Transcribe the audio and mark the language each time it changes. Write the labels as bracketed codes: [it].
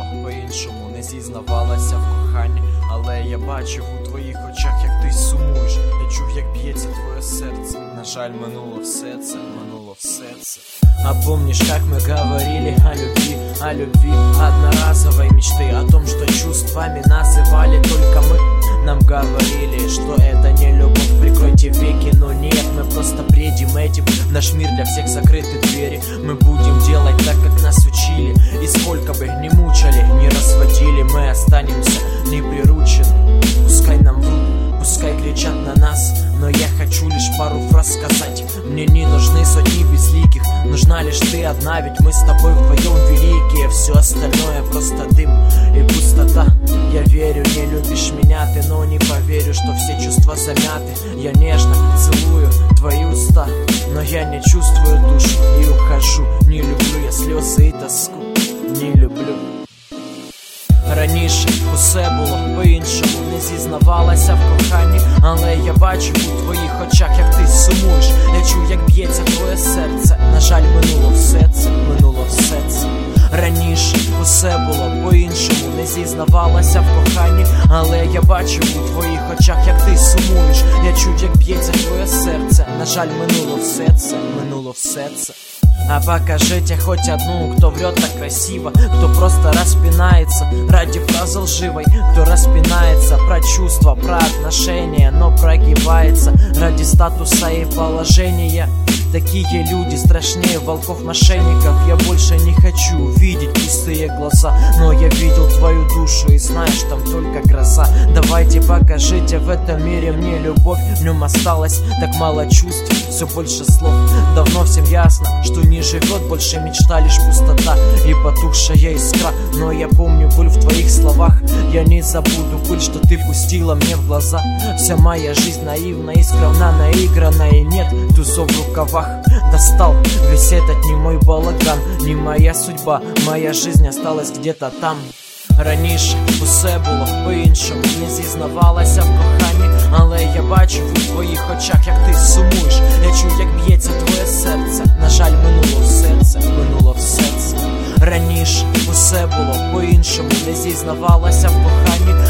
[uk] іншому не зізнавалася в коханні. Але я бачив у твоїх очах, як ти сумуєш. Я чув, як б'ється твоє серце. На жаль, минуло все це, минуло все це. [ru] А помніш, як ми говорили о любви, одноразовой мечты, о том, что чувствами называли только мы. Нам говорили, что это не любовь, прикройте веки, но нет, мы просто бредим этим. Наш мир для всех закрыты двери, мы будем делать так, как нас учили. И сколько бы ни мучали, ни разводили, мы останемся неприручены. Пускай нам врут, пускай кричат на нас, но я хочу лишь пару фраз сказать. Мне не нужны сотни безликих, нужна лишь ты одна, ведь мы с тобой вдвоем великие. Все остальное просто дым и пустота. Я верю, не любишь меня ты, но не поверю, что все чувства замяты. Я нежно целую твои уста, но я не чувствую душу и ухожу. Не люблю я слезы и тоску, не люблю. [uk] Раніше усе було по-іншому, не зізнавалася в коханні. Але я бачу у твоїх очах, як ти сумуєш. Я чув, як б'ється твоє серце. На жаль, минуло все це, минуло все це. Раніше усе було по-іншому, не зізнавалася в коханні. Але я бачу у твоїх очах, як ти сумуєш. Я чув, як б'ється твоє серце. На жаль, минуло все це, минуло все це. [ru] А покажите хоть одну, кто врет так красиво, кто просто распинается ради фразы лживой, кто распинается про чувства, про отношения, но прогибается ради статуса и положения. Такие люди страшнее волков-мошенников. Я больше не хочу видеть пустые глаза, но я видел твою душу и знаешь, там только краса. Давайте покажите в этом мире мне любовь. В нем осталось так мало чувств, все больше слов. Давно всем ясно, что не живет больше мечта, лишь пустота и потухшая искра. Но я помню боль в твоих словах, я не забуду боль, что ты пустила мне в глаза. Вся моя жизнь наивна и скромна, наиграна, и нет тузов в рукавах. Достал весь этот не мой балаган, не моя судьба, моя жизнь осталась где-то там. [uk] Раніше усе було по-іншому, не зізнавалася в коханні. Але я бачив у твоїх очах, як ти сумуєш. Я чув, як б'ється твоє серце. На жаль, минуло все це, минуло все це. Раніше усе було по-іншому, не зізнавалася в коханні.